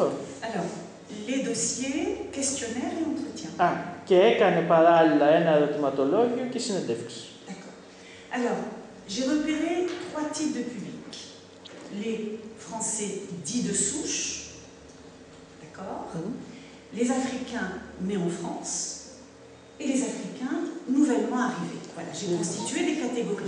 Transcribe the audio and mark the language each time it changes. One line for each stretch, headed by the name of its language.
French: Alors, les dossiers, questionnaire et entretien.
Greek: Ah, και έκανε παράλληλα ένα ερωτηματολόγιο και συνεντεύξη.
French: D'accord. Alors, j'ai repéré 3 types de public. Les Français dits de souche, d'accord. Les Africains nés en France et les Africains nouvellement arrivés. Voilà, j'ai constitué des catégories.